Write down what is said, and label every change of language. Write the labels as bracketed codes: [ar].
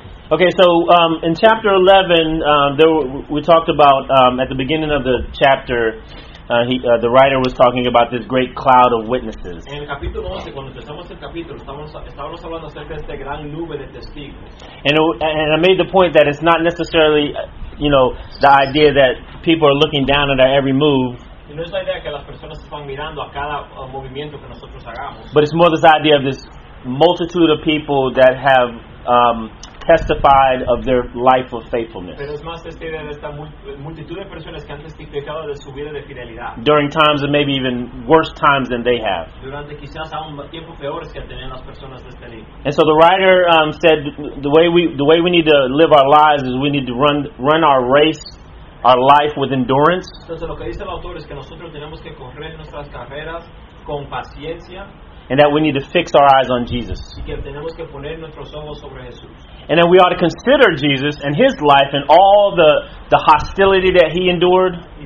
[en] Okay, so in chapter 11, we talked about at the beginning of the chapter. The writer was talking about this great cloud of witnesses. [es] En el capítulo 11, cuando empezamos el capítulo, estábamos hablando acerca de esta gran nube de testigos. [en] And I made the point that it's not necessarily, you know, the idea that people are looking down at our every move. [es] Y no es la idea que las personas están mirando a cada movimiento que nosotros hagamos. [en] But it's more this idea of this multitude of people that have testified of their life of faithfulness. [es] Pero es más esta idea de esta multitud de personas que han testificado de su vida de fidelidad. [en] During times and maybe even worse times than they have. [es] Durante quizás aún tiempos peores que han tenido las personas de este libro. [en] And so the writer said the way we need to live our lives is we need to run our race, our life with endurance. [es] Entonces lo que dice el autor es que nosotros tenemos que correr nuestras carreras con paciencia. [en] And that we need to fix our eyes on Jesus. [es] Que tenemos que poner nuestros ojos sobre Jesús. [en] And that we ought to consider Jesus and his life and all the hostility that he endured.